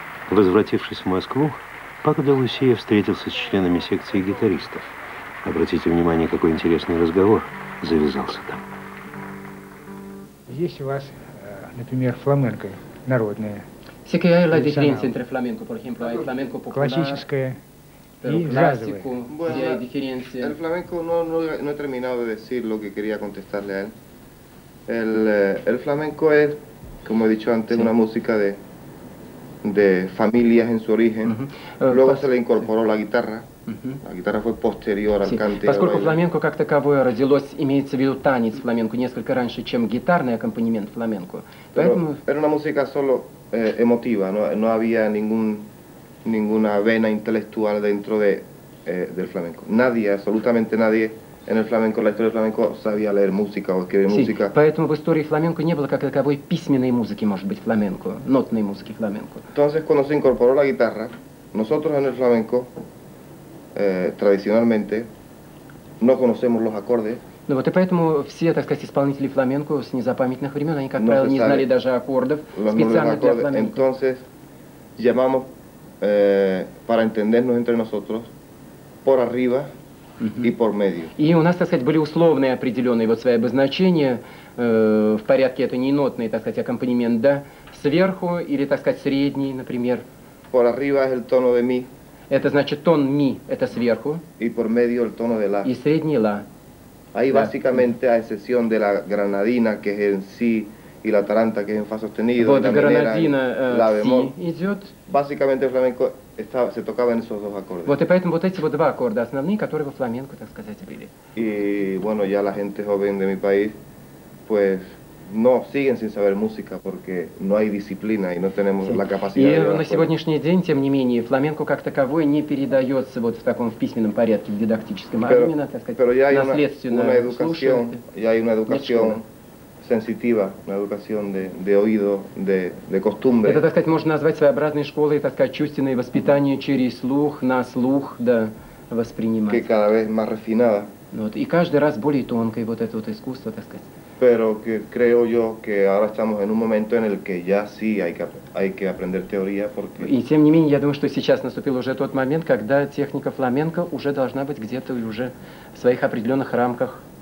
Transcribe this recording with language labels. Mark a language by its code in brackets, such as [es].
[ru] Возвратившись в Москву, Пако де Лусия встретился с членами секции гитаристов. Обратите внимание, какой интересный разговор завязался там. Есть у вас, например, фламенко народное. [es] Sé que hay la diferencia entre flamenco, por ejemplo, hay flamenco popular, clásico, clásico, bueno, y hay diferencia. El flamenco no he terminado de decir lo que quería contestarle a él. El flamenco es, como he dicho antes, sí. Una música de familias en su origen. Uh-huh. Luego se le incorporó la guitarra. Uh-huh. La guitarra fue posterior al canto. [ru] Поскольку фламенко как таковое родилось, имеется в виду танец фламенко несколько раньше, чем гитарный аккомпанемент фламенко. Поэтому [es] era una música solo emotiva, no había ninguna vena intelectual dentro de del flamenco. Nadie, absolutamente nadie en el flamenco, la historia del flamenco sabía leer música o escribir música. [ru] Sí, поэтому в истории фламенко не было как таковой письменной музыки, может быть, фламенко, нотной музыки фламенко. [es] Entonces, cuando se incorporó la guitarra, nosotros en el flamenco tradicionalmente no conocemos los acordes. [ru] Ну вот и поэтому все, так сказать, исполнители фламенко с незапамятных времен, они, как правило, не знали даже аккордов специально для фламенко. [es] Entonces, llamamos para entendernos entre nosotros por arriba y por medio. [ru] И у нас, так сказать, были условные определенные вот свои обозначения в порядке, это не нотный, так сказать, аккомпанемент, да, сверху или, так сказать, средний, например. [es] Por arriba es el tono de mi. [ru] Это значит тон ми, это сверху. [es] Y por medio el tono de la. [ru] И средний ла. [es] Ahí да. Básicamente, a excepción de la granadina, que es en si, y la taranta, que es en fa sostenido, [ru] вот, [es] y la minera, la bemol. Si идет. Básicamente, el flamenco se tocaba en esos dos acordes. [ru] Вот, и поэтому вот эти вот два аккорда основные, которые во фламенко, так сказать, были. [es] Y bueno, ya la gente joven de mi país, pues no, siguen sin saber música, porque no hay disciplina y no tenemos la capacidad. [ru] И на сегодняшний день, тем не менее, фламенко как таковое не передается вот в таком в письменном порядке, в дидактическом, [es] pero, [ru] а именно, так сказать, наследственно слушают. [es] Ya hay una educación sensitiva, una educación de oído, de costumbre. [ru] Это, так сказать, можно назвать своеобразной школой, так сказать, чувственное воспитание через слух, на слух, да, воспринимать. [es] Que cada vez más refinada. [ru] Вот, и каждый раз более тонкое вот это вот искусство, так сказать. [es] Pero que creo yo que ahora estamos en un momento en el que ya sí hay que aprender teoría porque. [ru] И тем не менее, я думаю, что сейчас наступил уже тот момент, когда техника фламенко уже должна быть где-то уже в своих определенных рамках.